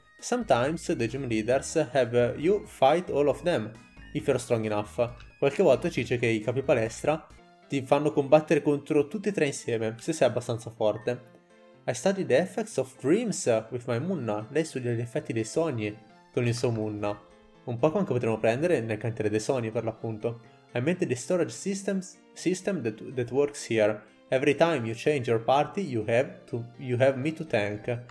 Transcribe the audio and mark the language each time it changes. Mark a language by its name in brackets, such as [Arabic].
[English] Sometimes the gym leaders have you fight all of them, if you're strong enough. [Italian] Qualche volta ci dice che i capi palestra ti fanno combattere contro tutti e tre insieme, se sei abbastanza forte. [English] I studied the effects of dreams with my Munna. [Italian] Lei studia gli effetti dei sogni con il suo Munna. Un Pokémon che potremmo prendere nel Cantiere dei Sogni, per l'appunto. [English] I made the storage system that works here. Every time you change your party, you have me to thank.